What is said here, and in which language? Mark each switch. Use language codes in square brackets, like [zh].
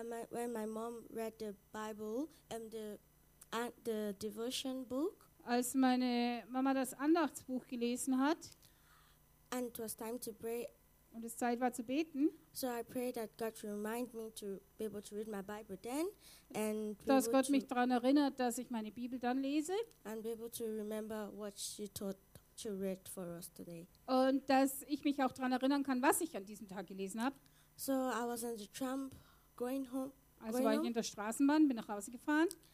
[en] When my mom read the Bible and the devotion book. [de] Als meine Mama das Andachtsbuch gelesen hat. [en] And it was time to pray. [de] Und es Zeit war zu beten. [en] So I pray that God remind me to be able to read my Bible then and [de] dass Gott mich daran erinnert, dass ich meine Bibel dann lese. [en] And be able to remember what she taught to read for us today. [de] Und dass ich mich auch daran erinnern kann, was ich an diesem Tag gelesen habe. [en] So I was on the tram going home. [de] Also war ich in der Straßenbahn, bin nach Hause gefahren.